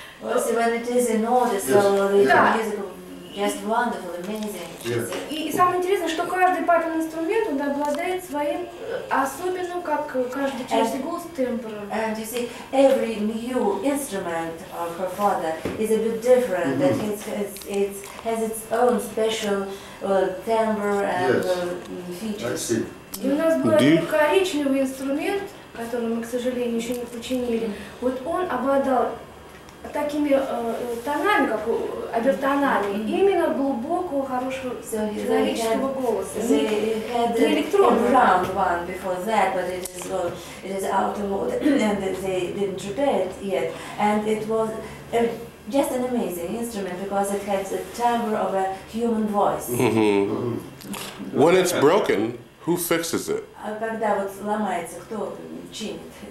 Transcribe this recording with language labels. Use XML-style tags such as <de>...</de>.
<en>Well, see, when it is in order, so the musical just wonderful, amazing.</en> <ru>И самое интересное, что каждый папин инструмент он обладает своим особенным, как каждый чаще голос тембр.</ru> <en>And you see, every new instrument of her father is a bit different. Mm-hmm. That it's has its own special timbre and features. I see.</en> <ru>И у нас был один коричневый инструмент, который мы, к сожалению, еще не починили. Вот он обладал такими тонами, как обертонами, именно глубокого, хорошего человеческого голоса.</ru> <en>The electronic round one before that, but it is out of order and they didn't repair it yet. And it was just an amazing instrument because it has the timbre of a human voice. When it's broken. Who fixes it?</en> <ru>Когда вот ломается, кто чинит?</ru>